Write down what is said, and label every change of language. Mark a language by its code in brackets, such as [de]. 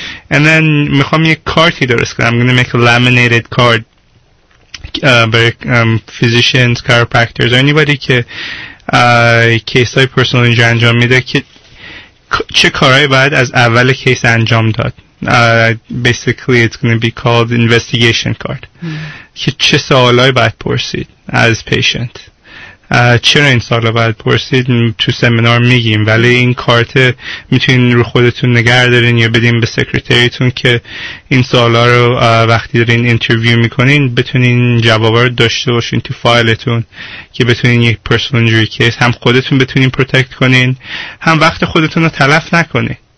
[en] And then [fa] میخوام یه کارتی درست کنم. [en] I'm going to make a laminated card [fa] برای [en] physicians, chiropractors, anybody [fa] که کیس های پرسنال اینجا انجام میده که چه کارهایی باید از اول کیس انجام داد. [en] Basically it's going to be called investigation card. [fa] که چه سوالایی باید پرسید از پیشنت. چرا این سوالا باید پرسید تو سمینار میگیم، ولی این کارت میتونین رو خودتون نگه دارین یا بدین به سکرتریتون که این سوالا رو وقتی دارین انترویو میکنین بتونین جوابا رو داشته باشین تو فایلتون که بتونین یک پرسونال اینجوری کیس هم خودتون بتونین پروتکت کنین هم وقت خودتون رو تلف نکنین.